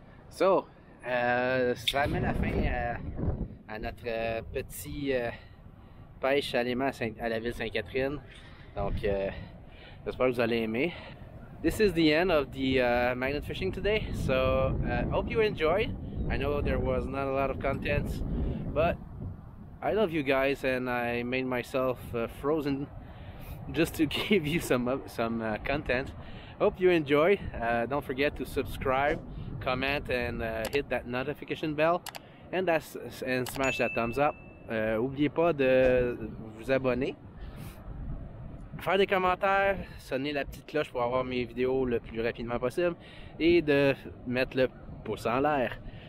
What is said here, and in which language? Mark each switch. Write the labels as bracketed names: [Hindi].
[French] So, ça amène la fin à notre petit pêche à l'aimant à la ville Sainte-Catherine. Donc, j'espère que vous allez aimer. [English] This is the end of the magnet fishing today. So, hope you enjoyed. I know there was not a lot of contents, but I love you guys, and I made myself frozen just to give you some content. Hope you enjoy. Don't forget to subscribe. comment and hit that notification bell and smash that thumbs up. [French] Oubliez pas de vous abonner. Faire des commentaires, sonner la petite cloche pour avoir mes vidéos le plus rapidement possible et de mettre le pouce en l'air.